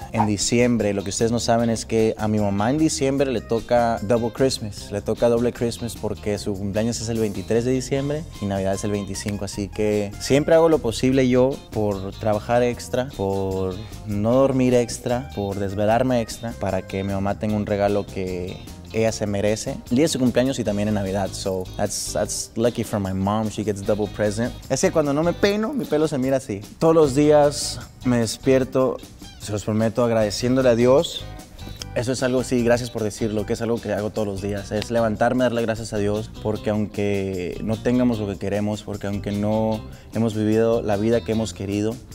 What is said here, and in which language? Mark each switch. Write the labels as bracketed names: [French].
[Spanish] En diciembre, lo que ustedes no saben es que a mi mamá en diciembre le toca [English] double Christmas, [Spanish] le toca doble Christmas porque su cumpleaños es el 23 de diciembre y Navidad es el 25, así que siempre hago lo posible yo por trabajar extra, por no dormir extra, por desvelarme extra para que mi mamá tenga un regalo que ella se merece. El día de su cumpleaños y también en Navidad. [English] So, that's lucky for my mom. She gets double present. [Spanish] Es que cuando no me peino, mi pelo se mira así. Todos los días me despierto, se los prometo, agradeciéndole a Dios. Eso es algo, sí, gracias por decirlo, que es algo que hago todos los días. Es levantarme, darle gracias a Dios, porque aunque no tengamos lo que queremos, porque aunque no hemos vivido la vida que hemos querido,